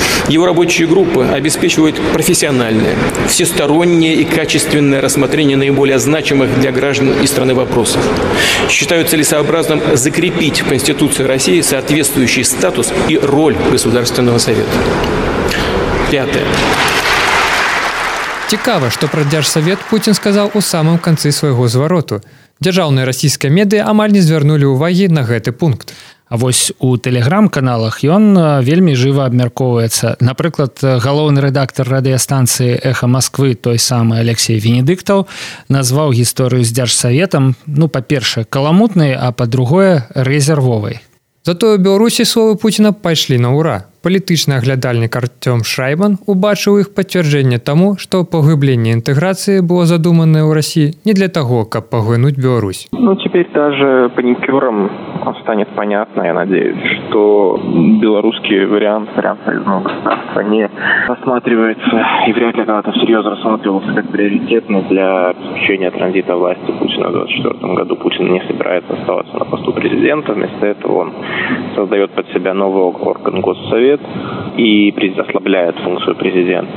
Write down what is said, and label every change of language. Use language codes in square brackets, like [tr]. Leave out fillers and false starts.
[ru] Его рабочие группы обеспечивают профессиональное, всестороннее и качественное рассмотрение наиболее значимых для граждан и страны вопросов. Считаю целесообразным закрепить в Конституции России соответствующий статус и роль Государственного совета. Пятое. [be] Цікава, што пра дзяржсавет Пуцін сказаў у самым канцы свайго звароту. Дзяржаўныя расійскія медыя амаль не звярнулі ўвагі на гэты пункт. А вось у Telegram-каналах ён вельмі жыва абмяркоўваецца. Напрыклад, галоўны рэдактар радыёстанцыі «Эхо Москвы», той самы Алексей Венедыктаў, назваў гісторыю з дзяржсаветам, па-першае, каламутнай, а па-другое, рэзервовай. Затое ў Беларусі словы Пуціна пайшлі на ура. Палітычны аглядальнік Артём Шрайман убачыў іх пацвярджэнне таму, што паглыбленне інтэграцыі было задуманае ў Расіі не для таго, каб паглынуць Беларусь. [ru] Цяпер даже панікёрам станет понятно, я надеюсь, что белорусский вариант союзного государства не рассматривается и вряд ли когда-то серьезно рассматривался как приоритетный для обеспечения транзита власти Путина в 2024 году. Путин не собирается оставаться на посту президента. Вместо этого он создает под себя новый орган Госсовет и ослабляет функцию президента.